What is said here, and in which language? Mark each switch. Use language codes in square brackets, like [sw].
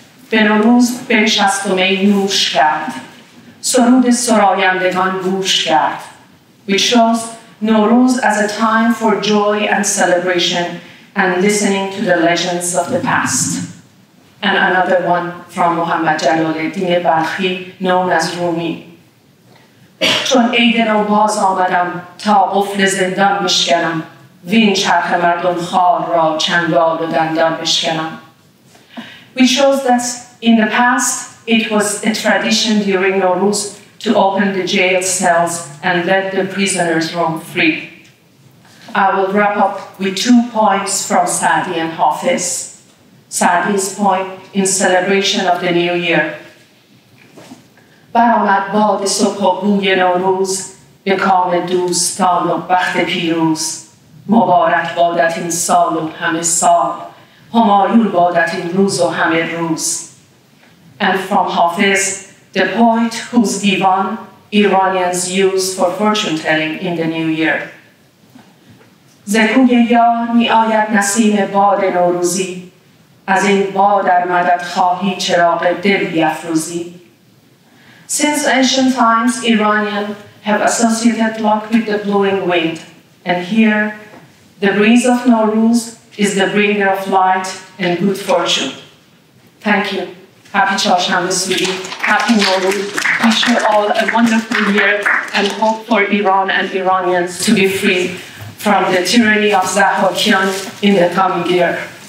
[fa] به نوروز بنشست و می نوش کرد سرود سرایندگان گوش کرد. [en] Which shows Norooz as a time for joy and celebration and listening to the legends of the past. And another one from Muhammad Jalaluddin Balkhi, known as Rumi. [fa] چون عید نو باز آمدم تا قفل زندان بشکنم وین چرخ مردم خوار را چنگال و دندان بشکنم. [en] Which shows that in the past, it was a tradition during Norooz to open the jail cells and let the prisoners roam free. I will wrap up with two points from Sadi and Hafiz. Sadi's point in celebration of the new year. [fa] برآمد باد صبح و بوی نوروز به کام دوستان و بخت پیروز مبارک بادت این سال و همه سال همایون بادت این روز و همه روز. [en] And from Hafiz, the poet whose divan Iranians use for fortune telling in the new year. [fa] ز کوی یار می آید نسیم باد نوروزی از این باد ار مدد خواهی چراغ دل بیفروزی. [en] Since ancient times, Iranians have associated luck with the blowing wind. And here, the breeze of Norooz is the bringer of light and good fortune. Thank you. Happy Chorshanbe Suri. Happy Norooz. Wish you all a wonderful year and hope for Iran and Iranians to be free from the tyranny of Zahokian in the coming year.